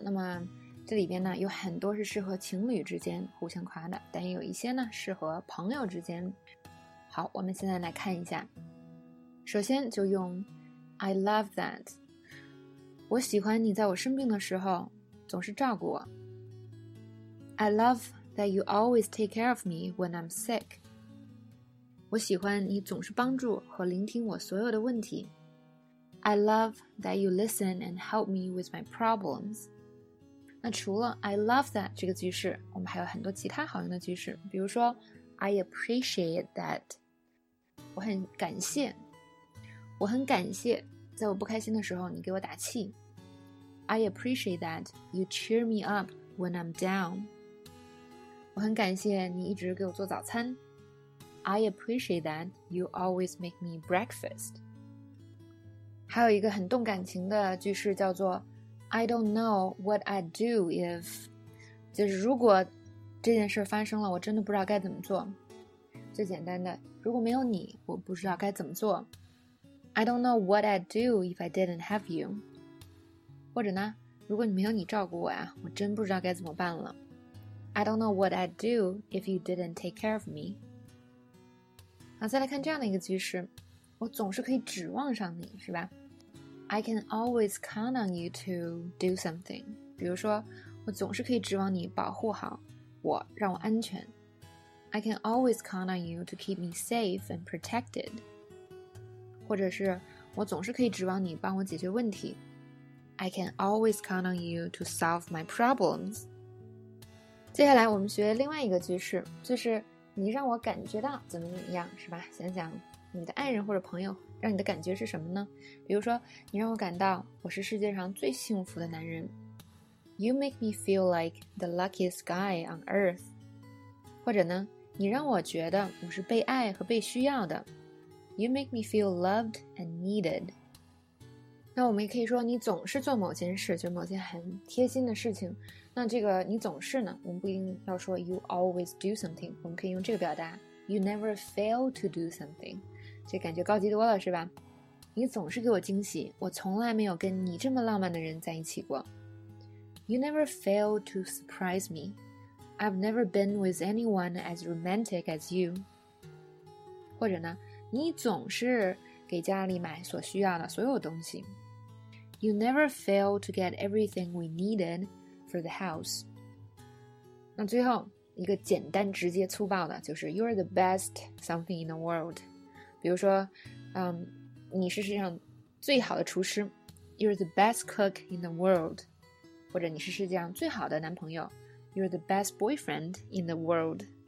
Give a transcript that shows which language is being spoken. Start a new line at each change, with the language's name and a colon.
Chinese: 那么这里边呢，有很多是适合情侣之间互相夸的，但也有一些呢，适合朋友之间。好，我们现在来看一下。首先就用
English: I love that，
Chinese: 我喜欢你在我生病的时候总是照顾我。
English: I love that you always take care of me when I'm sick.
Chinese: 我喜欢你总是帮助和聆听我所有的问题。
English: I love that you listen and help me with my problems.
Chinese: 那除了
English: I love that
Chinese: 这个句式，我们还有很多其他好用的句式，比如说
English: I appreciate that.
Chinese: 我很感谢，我很感谢在我不开心的时候你给我打气。
English: I appreciate that you cheer me up when I'm down.
Chinese: 我很感谢你一直给我做早餐。
English: I appreciate that you always make me breakfast.
Chinese: 还有一个很动感情的句式叫做
English: I don't know what I'd do if...
Chinese: 就是如果这件事发生了，我真的不知道该怎么做。最简单的，如果没有你，我不知道该怎么做。
English: I don't know what I'd do if I didn't have you.
Chinese: 或者呢，如果你没有你照顾我呀，我真不知道该怎么办了。
English: I don't know what I'd do if you didn't take care of me.
Chinese: 好，再来看这样的一个句式，我总是可以指望上你，是吧？
English: I can always count on you to do something.
Chinese: 比如说，我总是可以指望你保护好我，让我安全。
English: I can always count on you to keep me safe and protected.
Chinese: 或者是，我总是可以指望你帮我解决问题。
English: I can always count on you to solve my problems.
Chinese: 接下来我们学另外一个句式，就是你让我感觉到怎么怎么样，是吧？想想你的爱人或者朋友让你的感觉是什么呢？比如说，你让我感到我是世界上最幸福的男人。
English: You make me feel like the luckiest guy on earth.
Chinese: 或者呢，你让我觉得我是被爱和被需要的。
English: You make me feel loved and needed.
Chinese: 那我们也可以说你总是做某件事，就是某件很贴心的事情。那这个你总是呢，我们不一定要说
English: you always do something，
Chinese: 我们可以用这个表达
English: you never fail to do something，
Chinese: 这感觉高级多了，是吧？你总是给我惊喜，我从来没有跟你这么浪漫的人在一起过。
English: You never fail to surprise me. I've never been with anyone as romantic as you.
Chinese: 或者呢，你总是给家里买所需要的所有东西。
English: You never fail to get everything we needed for the house.
Chinese: 那最后一个简单直接粗暴的就是
English: You're the best something in the world.
Chinese: 比如说你是世界上最好的厨师。
English: You're the best cook in the world.
Chinese: 或者你是世界上最好的男朋友。
English: You're the best boyfriend in the world.